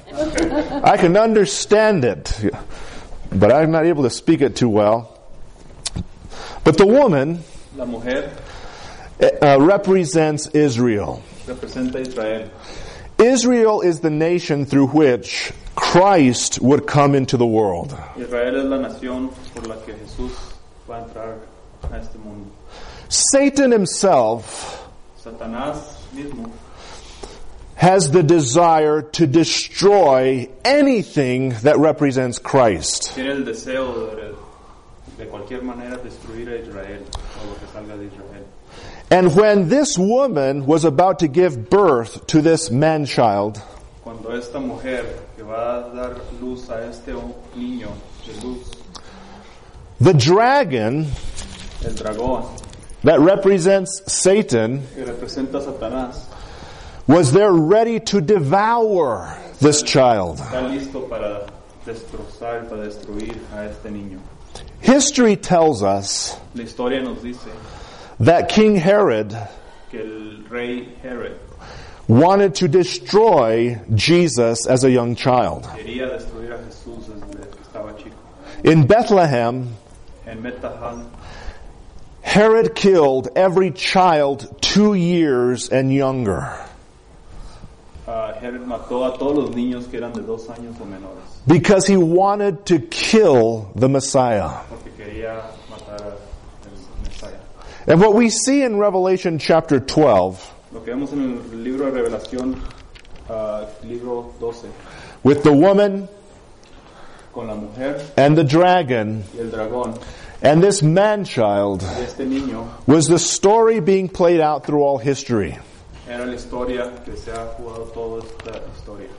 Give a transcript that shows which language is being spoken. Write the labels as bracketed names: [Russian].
[English] I can understand it, but I'm not able to speak it too well. But the woman, [Spanish] la mujer, [English] represents Israel. [Spanish] Representa Israel. [English] Israel is the nation through which Christ would come into the world. [Spanish] Israel es la nación por la que Jesús va a entrar a este mundo. [English] Satan himself, [Spanish] Satanás mismo, [English] has the desire to destroy anything that represents Christ. [Spanish] Tiene el deseo de cualquier manera destruir a Israel o lo que salga de Israel. [English] And when this woman was about to give birth to this man-child, [Spanish] cuando esta mujer que va a dar luz a este niño de luz, [English] the dragon, [Spanish] el dragón, [English] that represents Satan, [Spanish] que representa Satanás, [English] was there ready to devour this child. [Spanish] Está listo para destrozar, para destruir a este niño. [English] History tells us, [Spanish] la historia nos dice, [English] that King Herod, [Spanish] que el rey Herod, [English] wanted to destroy Jesus as a young child. [Spanish] Quería destruir a Jesús desde que estaba chico. [English] In Bethlehem, [Spanish] en Bethlehem, [English] Herod killed every child 2 years and younger. [Spanish] Herod mató a todos los niños que eran de 2 años o menores. [English] Because he wanted to kill the Messiah. [Spanish] Porque quería matar al Mesías. [English] And what we see in Revelation chapter 12, [Spanish] lo que vemos en el libro de Revelación, libro 12, [English] with the woman, [Spanish] con la mujer, [English] and the dragon, [Spanish] y el dragón, [English] and this man-child, [Spanish] y este niño, [English] was the story being played out through all history. [Spanish] Era la historia que se ha jugado toda esta historia.